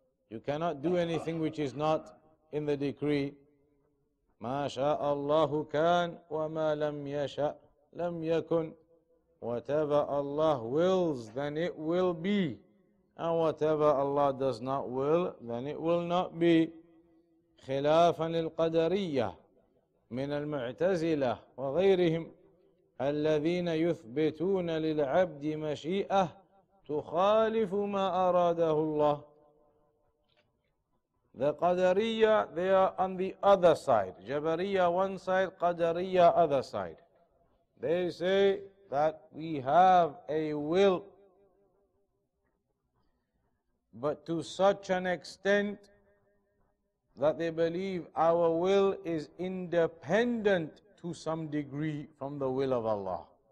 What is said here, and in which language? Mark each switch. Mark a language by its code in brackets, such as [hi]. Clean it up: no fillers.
[en] You cannot do anything which is not in the decree. [ar] مَا شَاءَ اللَّهُ كَانَ وَمَا لَمْ يَشَاءَ لَمْ يَكُنْ. [en] Whatever Allah wills, then it will be. And whatever Allah does not will, then it will not be. [ar] خِلَافًا لِلْقَدَرِيَّةِ من المعتزلة وغيرهم الذين يثبتون للعبد مشيئة تخالف ما أراده الله. [en] The Qadariyya, they are on the other side. Jabariyya one side, Qadariyya other side. They say that we have a will, but to such an extent that they believe our will is independent to some degree from the will of Allah.